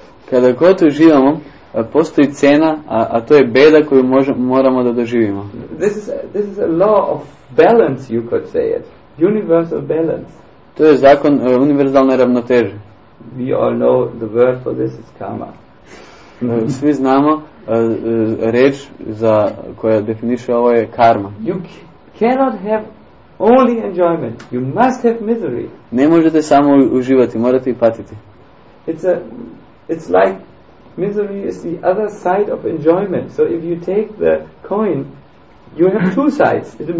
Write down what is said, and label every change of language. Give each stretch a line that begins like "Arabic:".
Serbian: Kada god uživamo, postoji cena, a to je beda koju moramo da doživimo.
English: This is a law of balance, you could say it. Universal balance.
Serbian: To je zakon univerzalne ravnoteže.
English: We all know the word for this is karma.
Serbian: Svi znamo reč za koja definiše ovo je karma.
English: You cannot have only enjoyment. You must have misery.
Serbian: Ne možete samo uživati, morate i patiti.
English: It's like misery is the other side of enjoyment. So if you take the coin, you have two sides.